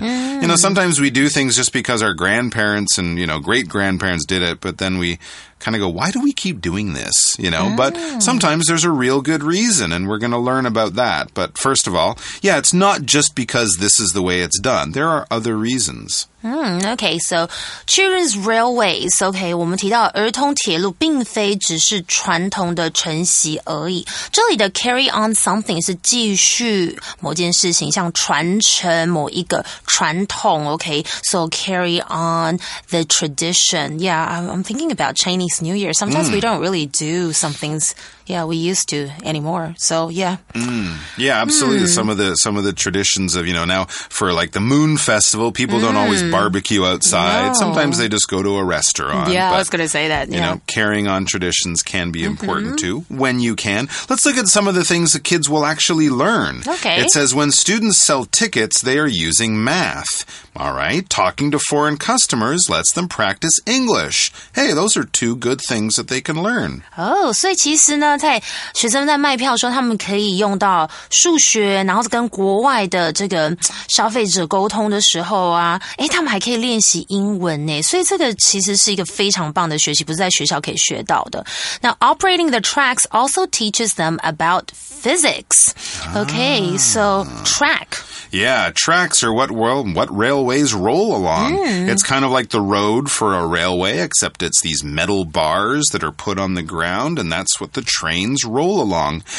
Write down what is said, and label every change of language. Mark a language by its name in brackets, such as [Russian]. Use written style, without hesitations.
[English] You know, sometimes we do things just because our grandparents and, you know, great-grandparents did it, but then we... kind of go, why do we keep doing this, you know? But sometimes there's a real good reason, and we're going to learn about that. But first of all, yeah, it's not just because this is the way it's done. There are other reasons. Okay, so children's railways. [Chinese] Okay, 我们提到儿童铁路并非只是传统的承袭而已。这里的 [English] carry on something [Chinese] 是继续某件事情，像传承某一个传统。 [English] Okay, so carry on the tradition. Yeah, I'm thinking about Chinese New Year. Sometimes we don't really do some things. Yeah, we used to anymore. So yeah. Yeah, absolutely. Some of the traditions of, you know, now for like the moon festival, people don't always barbecue outside. No. Sometimes they just go to a restaurant. Yeah, but, I was going to say that. You know, carrying on traditions can be important too, when you can. Let's look at some of the things that kids will actually learn. Okay. It says when students sell tickets, they are using math. All right. Talking to foreign customers lets them practice English. Hey, those are two good things that they can learn. Oh, so [Chinese] 其实呢在学生在卖票的时候他们可以用到数学然后跟国外的这个消费者沟通的时候啊诶他们还可以练习英文呢所以这个其实是一个非常棒的学习不是在学校可以学到的。 [English] Now, operating the tracks also teaches them about physics. Okay, so track. Yeah, tracks are what railways roll along. It's kind of like the road for a railway, except it's these metal bars that are put on the ground, and that's what the trains roll along.